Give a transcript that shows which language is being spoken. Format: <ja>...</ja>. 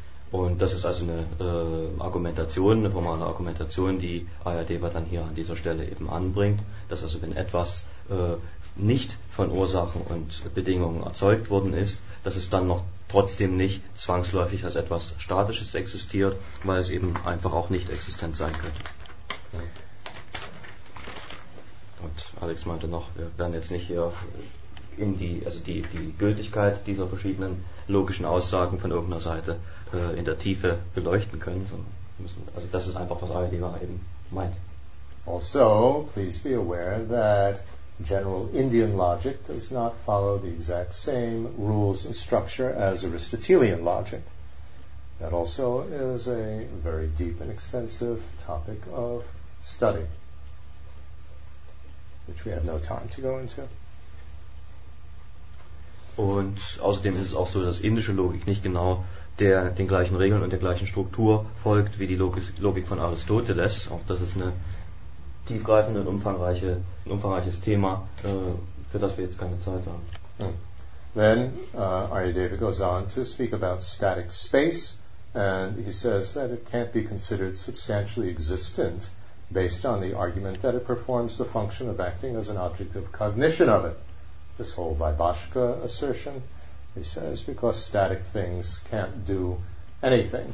<de>Und das ist also eine formale Argumentation, die Aryadeva dann hier an dieser Stelle eben anbringt, dass also wenn etwas nicht von Ursachen und Bedingungen erzeugt worden ist, dass es dann noch trotzdem nicht zwangsläufig als etwas Statisches existiert, weil es eben einfach auch nicht existent sein könnte. Und Alex meinte noch, wir werden jetzt nicht hier in die Gültigkeit dieser verschiedenen logischen Aussagen von irgendeiner Seite in der Tiefe beleuchten können, sondern müssen, also das ist einfach, was Aryadeva eben meint.</de> <en>Also, please be aware that general Indian logic does not follow the exact same rules and structure as Aristotelian logic. That also is a very deep and extensive topic of study, which we have no time to go into.</en> <de>Und außerdem ist es auch so, dass indische Logik nicht genau der den gleichen Regeln und der gleichen Struktur folgt wie die Logik von Aristoteles. Auch das ist ein tiefgreifendes und umfangreiches Thema, für das wir jetzt keine Zeit haben.</de> <en>Then Aryadeva goes on to speak about static space, and he says that it can't be considered substantially existent based on the argument that it performs the function of acting as an object of cognition of it. This whole Vaibhashika assertion, he says, because static things can't do anything.</en>